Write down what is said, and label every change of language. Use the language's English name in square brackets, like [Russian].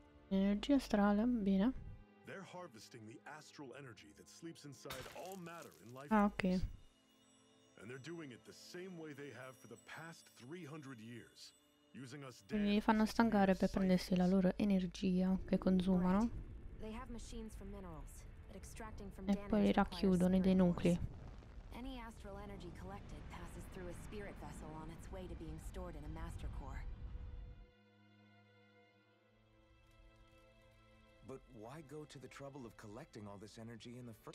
[Italian] Energia astrale, bene. [English] They're harvesting the astral energy that sleeps inside all matter in life. Ah, okay. And they're doing it the same way they have for the past 300 years, using us. [Italian] Quindi li fanno stancare per prendersi la loro energia che consumano. [English] They have machines for minerals, but extracting from [Italian] e poi li racchiudono dei nuclei. [English] Any astral energy collected passes through a spirit vessel on its way to being stored in a master core. But why go to the trouble of collecting all this energy in the first?